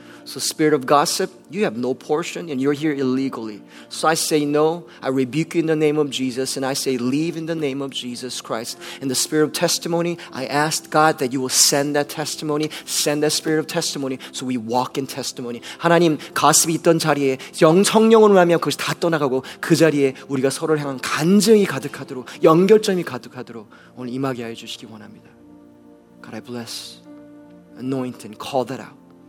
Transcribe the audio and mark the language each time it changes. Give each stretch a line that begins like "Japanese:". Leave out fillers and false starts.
English: So spirit of gossip, you have no portion and you're here illegally. So I say no, I rebuke you in the name of Jesus, and I say leave in the name of Jesus Christ. In the spirit of testimony, I ask God that you will send that testimony, send that spirit of testimony, so we walk in testimony.
Korean: 하나님, 가슴이 있던 자리에 영 성령으로 말미암아 그것이 다 떠나가고 그 자리에 우리가 서로를 향한 간증이 가득하도록 연결점이 가득하도록 오늘 임하게 하여 주시기 원합니다.
English: God, I bless, anoint and call that out.